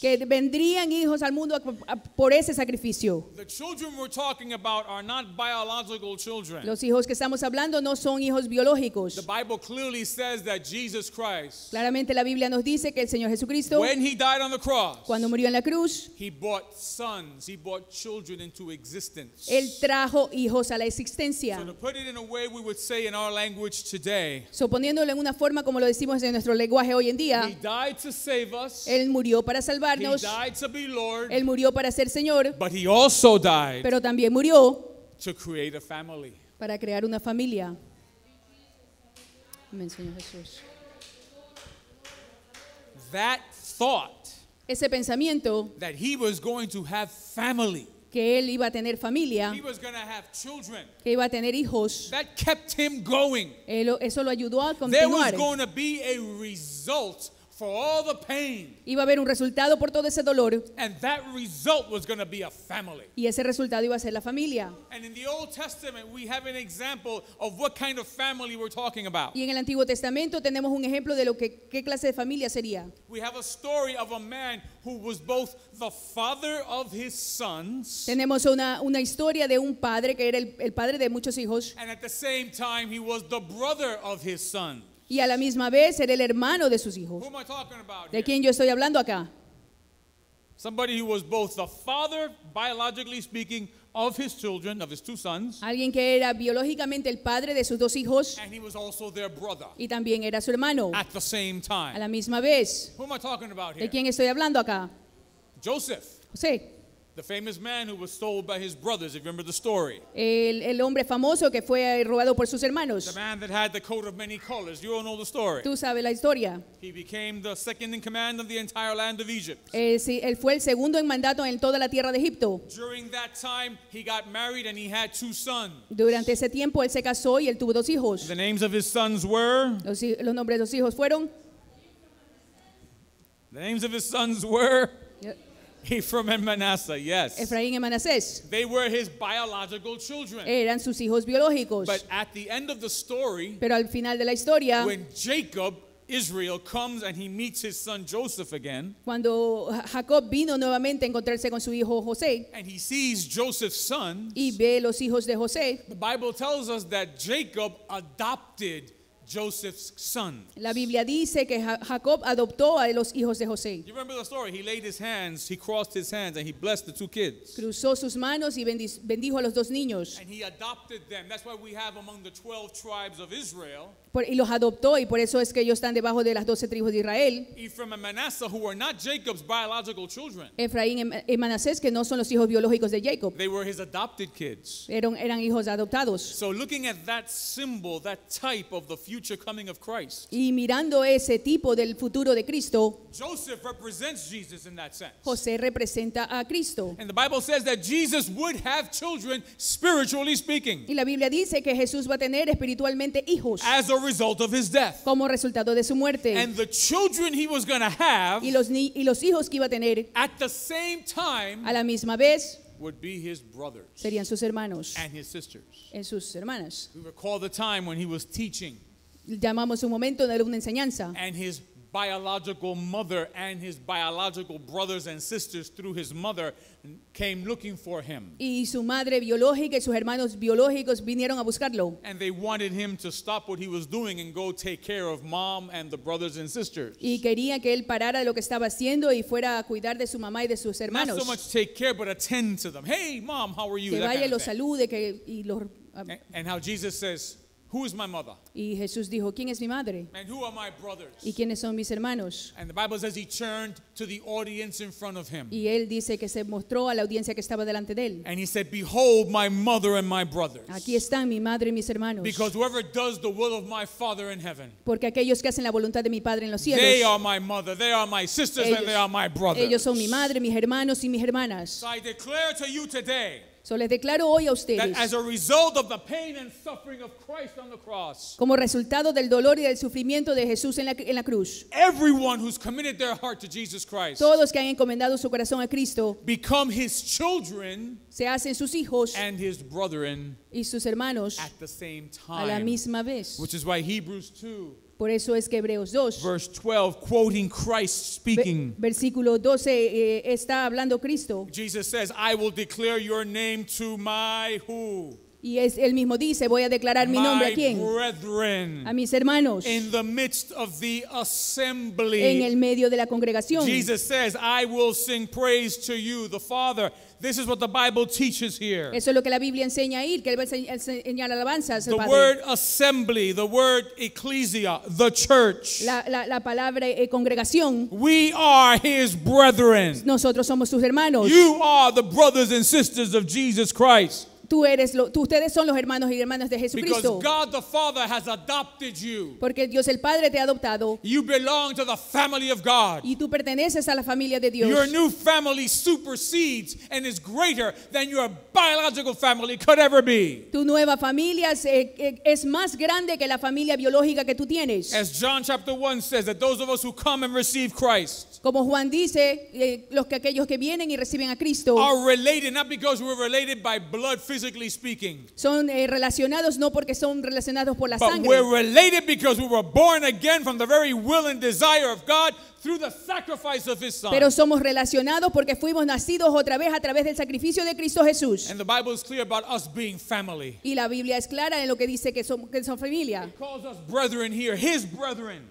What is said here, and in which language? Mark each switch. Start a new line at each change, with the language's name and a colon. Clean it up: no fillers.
Spanish: Que vendrían hijos al mundo por ese sacrificio.
English: The children we're talking about are not biological children.
Spanish: Los hijos que estamos hablando no son hijos biológicos.
English: The Bible clearly says that Jesus Christ,
Spanish: claramente la Biblia nos dice que el Señor Jesucristo,
English: when he died on the cross,
Spanish: cuando murió en la cruz,
English: he brought sons, he brought children into existence.
Spanish: Él trajo hijos a la existencia.
English: So to put it in a way we would say in our language today,
Spanish: so poniéndolo en una forma como lo decimos en nuestro lenguaje hoy en día,
English: he died to save us.
Spanish: Él murió para salvarnos.
English: He died to be Lord.
Spanish: Él murió para ser Señor.
English: But he also died,
Spanish: pero también murió,
English: to create a family.
Spanish: Para crear una familia. Amén, Señor Jesús.
English: That thought,
Spanish: ese pensamiento,
English: that he was going to have family,
Spanish: que él iba a tener familia,
English: he was going to have children,
Spanish: que iba a tener hijos,
English: that kept him going.
Spanish: Eso lo ayudó a continuar.
English: There was going to be a result for all the pain.
Spanish: Iba a haber un resultado por todo ese dolor.
English: And that result was going to be a family.
Spanish: Y ese resultado iba a ser la familia.
English: And in the Old Testament, we have an example of what kind of family we're talking about.
Spanish: Y en el Antiguo Testamento tenemos un ejemplo de lo que qué clase de familia sería.
English: We have a story of a man who was both the father of his sons.
Spanish: Tenemos una historia de un padre que era el padre de muchos hijos.
English: And at the same time, he was the brother of his sons.
Spanish: Y a la misma vez era el hermano de sus hijos. ¿De quién yo estoy hablando acá?
English: Somebody who was both the father, biologically speaking, of his children, of his two sons.
Spanish: Alguien que era biológicamente el padre de sus dos hijos.
English: And he was also their brother.
Spanish: Y también era su hermano.
English: At the same time.
Spanish: A la misma vez.
English: Who am I talking about here?
Spanish: ¿De quién estoy hablando acá?
English: Joseph.
Spanish: José.
English: The famous man who was sold by his brothers, if you remember the story.
Spanish: El hombre famoso que fue robado por sus hermanos.
English: The man that had the coat of many colors. You all know the story.
Spanish: Tú sabes la historia.
English: He became the second in command of the entire land of Egypt.
Spanish: Sí, él fue el segundo en mandato en toda la tierra de Egipto.
English: During that time, he got married and he had two sons.
Spanish: Durante ese tiempo, él se casó y él tuvo dos hijos.
English: The names of his sons were...
Spanish: Los nombres de los hijos fueron...
English: The names of his sons were... Ephraim and Manasseh, yes.
Spanish: Efraín y Manasés.
English: They were his biological children.
Spanish: Eran sus hijos biológicos.
English: But at the end of the story,
Spanish: pero al final de la historia,
English: when Jacob, Israel, comes and he meets his son Joseph again,
Spanish: cuando Jacob vino nuevamente a encontrarse con su hijo José,
English: and he sees Joseph's son,
Spanish: y ve los hijos de José,
English: the Bible tells us that Jacob adopted Joseph's son.
Spanish: La Biblia dice que Jacob adoptó a los hijos de José.
English: You remember the story? He laid his hands, he crossed his hands, and he blessed the two kids.
Spanish: Cruzó sus manos y bendijo a los dos niños.
English: And he adopted them. That's why we have among the 12 tribes of Israel.
Spanish: Y los adoptó, y por eso es que ellos están debajo de las 12 tribus de Israel.
English: Ephraim and Manasseh, who were not Jacob's biological children.
Spanish: Efraín y Manasés, que no son los hijos biológicos de Jacob.
English: They were his adopted kids.
Spanish: Eran hijos adoptados.
English: So looking at that symbol, that type of the future coming of Christ.
Spanish: Y mirando ese tipo del futuro de Cristo.
English: Joseph represents Jesus in that sense.
Spanish: José representa a Cristo.
English: And the Bible says that Jesus would have children, spiritually speaking.
Spanish: Y la Biblia dice que Jesús va a tener espiritualmente hijos.
English: As a result of his death.
Spanish: Como resultado de su muerte.
English: And the children he was going to have.
Spanish: Y los hijos que iba a tener.
English: At the same time.
Spanish: A la misma vez.
English: would be his brothers.
Spanish: Serían sus hermanos.
English: And his sisters.
Spanish: En sus hermanas.
English: We recall the time when he was teaching.
Spanish: Llamamos un momento de una enseñanza.
English: And his biological mother and his biological brothers and sisters through his mother came looking for him.
Spanish: Y su madre biológica y sus hermanos biológicos vinieron a buscarlo.
English: And they wanted him to stop what he was doing and go take care of mom and the brothers and sisters.
Spanish: Y querían que él parara lo que estaba haciendo y fuera a cuidar de su mamá y de sus hermanos.
English: Not so much take care, but attend to them. Hey, mom, how are you?
Spanish: Que vaya y los salude.
English: And how Jesus says, who is my mother?
Spanish: Y Jesús dijo, ¿quién es mi madre?
English: And who are my brothers?
Spanish: ¿Y quiénes son mis hermanos?
English: And the Bible says he turned to the audience in front of him.
Spanish: Y él dice que se mostró a la audiencia que estaba delante de él.
English: And he said, behold my mother and my brothers.
Spanish: Aquí están mi madre y mis hermanos.
English: Because whoever does the will of my Father in heaven.
Spanish: Porque aquellos que hacen la voluntad de mi Padre en los cielos.
English: They are my mother, they are my sisters,
Spanish: ellos,
English: and they are my brothers.
Spanish: Ellos son mi madre, mis hermanos y mis hermanas.
English: So I declare to you today.
Spanish: So les declaro hoy a ustedes,
English: that as a result of the pain and suffering of Christ on the cross,
Spanish: como resultado del dolor y del sufrimiento de Jesús en la cruz,
English: everyone who's committed their heart to Jesus Christ,
Spanish: todos que han encomendado su corazón a Cristo,
English: become his children,
Spanish: se hacen sus hijos,
English: and his brethren,
Spanish: y sus hermanos,
English: at the same time,
Spanish: a la misma vez,
English: which is why Hebrews 2.
Spanish: Por eso es que Hebreos 2,
English: verse 12, quoting Christ speaking.
Spanish: Versículo 12, está hablando Cristo.
English: Jesus says, I will declare your name to my who?
Spanish: Y es, él mismo dice, voy a declarar mi nombre a quién?
English: My brethren.
Spanish: A mis hermanos.
English: In the midst of the assembly.
Spanish: En el medio de la congregación.
English: Jesus says, I will sing praise to you, the Father. This is what the Bible teaches here.
Spanish: Eso es lo que la Biblia enseña ahí, que él va a enseñar alabanzas al Padre.
English: The word assembly, the word ecclesia, the church.
Spanish: La palabra congregación.
English: We are his brethren.
Spanish: Nosotros somos sus hermanos.
English: You are the brothers and sisters of Jesus Christ.
Spanish: Ustedes son los hermanos y hermanas de Jesucristo.
English: Because God the Father has adopted you.
Spanish: Porque Dios el Padre te ha adoptado.
English: You belong to the family of God.
Spanish: Y tú perteneces a la familia de Dios.
English: Your new family supersedes and is greater than your biological family could ever be.
Spanish: Tu nueva familia es más grande que la familia biológica que tú tienes.
English: As John chapter 1 says, that those of us who come and receive Christ,
Spanish: como Juan dice, los que aquellos que vienen y reciben a Cristo,
English: are related not because we're related by blood physically speaking.
Spanish: Son relacionados no porque son relacionados por la
English: but
Spanish: sangre.
English: But we're related because we were born again from the very will and desire of God through the sacrifice of his son.
Spanish: Pero somos relacionados porque fuimos nacidos otra vez a través del sacrificio de Cristo Jesús.
English: And the Bible is clear about us being family.
Spanish: Y la Biblia es clara en lo que dice que son familia.
English: He calls us brethren here, his brethren.